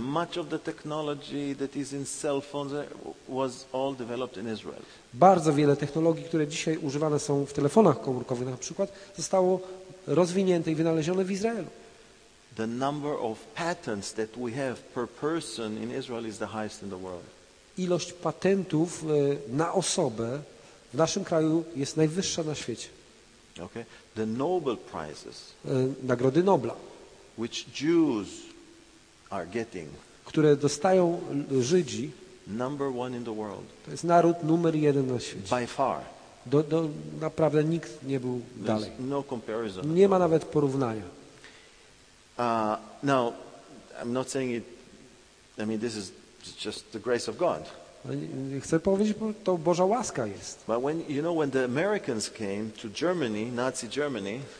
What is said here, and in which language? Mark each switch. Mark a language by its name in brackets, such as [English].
[English] Much of the technology that is in cell phones was all developed in Israel. [Polish] Bardzo wiele technologii, które dzisiaj używane są w telefonach komórkowych na przykład, zostało rozwinięte i wynalezione w Izraelu. [English] The number of patents that we have per person in Israel is the highest in the world. [Polish] Ilość patentów na osobę w naszym kraju jest najwyższa na świecie. [English] Okay. The Nobel prizes. [Polish] Nagrody Nobla. [English] Which Jews are getting. [Polish] Które dostają Żydzi. [English] Number one in the world. [Polish] To jest naród numer jeden na świecie. [English] By far. [Polish] Do naprawdę nikt nie był dalej. [English] There's no comparison. [Polish] Nie ma nawet porównania. [English] Now, I'm not saying it. I mean, this is just the grace of God. [Polish] Chcę powiedzieć, bo to Boża łaska jest. [English] But when you know when the Americans came to Germany, Nazi Germany.